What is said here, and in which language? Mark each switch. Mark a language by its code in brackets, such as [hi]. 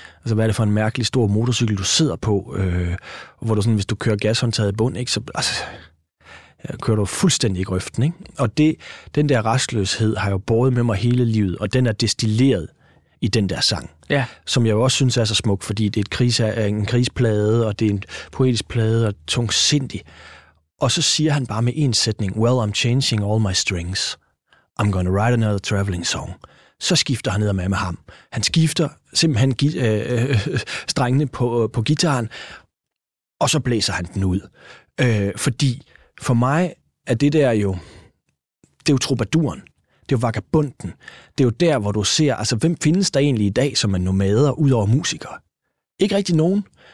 [da] Altså, hvad er det for en mærkelig stor motorcykel, du sidder på, hvor du sådan, hvis du kører gashåndtaget i bund, ikke, så altså, kører du fuldstændig i grøften. Ikke? Og den der restløshed har jo båret med mig hele livet, og den er destilleret i den der sang. Ja. Som jeg også synes er så smuk, fordi det er en krisplade, og det er en poetisk plade og tungsindig. Og så siger han bare med en sætning, [en] well, I'm changing all my strings. I'm gonna write another traveling song. [da] Så skifter han ned med ham. Han skifter simpelthen strengene på gitaren, og så blæser han den ud. Fordi for mig er det der jo, det er jo troubaduren. Det er jo vagabunden. Det er jo der, hvor du ser, altså hvem findes der egentlig i dag, som er nomader ud over musikere? Ikke rigtig nogen.